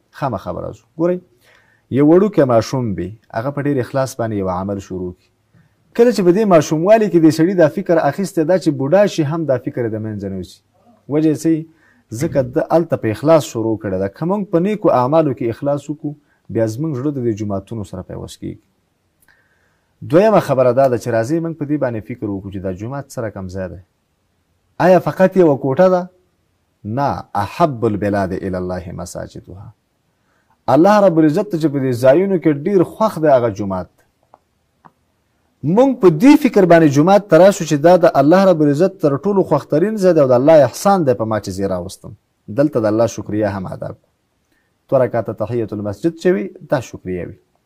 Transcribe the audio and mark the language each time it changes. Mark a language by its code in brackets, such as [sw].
[ps] خامه خبره ځو، ګورئ، یو وړوکی ماشوم بی هغه په ډېر اخلاص باندې یو عمل شروع کړي، کله چې په دې ماشوموالي کې دې سړي دا فکر اخیستی دا چې بوډا شي هم دا فکر د منځه نه وځي. وجه یې صحیح، ځکه ده هلته په اخلاص شروع کړی ده. که مونږ په نیکو اعمالو کې اخلاص وکړو، بیا زموږ زړه د دې جوماتونو سره پیوست کیږي. دویمه خبره دا ده چې راځئ مونږ په دې باندې فکر وکړو چې دا جومات سره کم ځای دی. آیا فقط یوه کوټه ده؟ نه، [ar] احب البلاد الی الله مساجدها. [ps] الله رب العزت چې په دې ځایونو کې ډیر خوښ دی هغه جومات. مونږ په دې فکر باندې جومات ته راشو چې دا د الله رب العزت تر ټولو خوښترین ځای دی او د الله احسان دی په ما چې زی راوستم دلته، د الله شکریا هم ادا کړو. دوه رکعته تحیۃ المسجد چې وي، دا شکریا وي.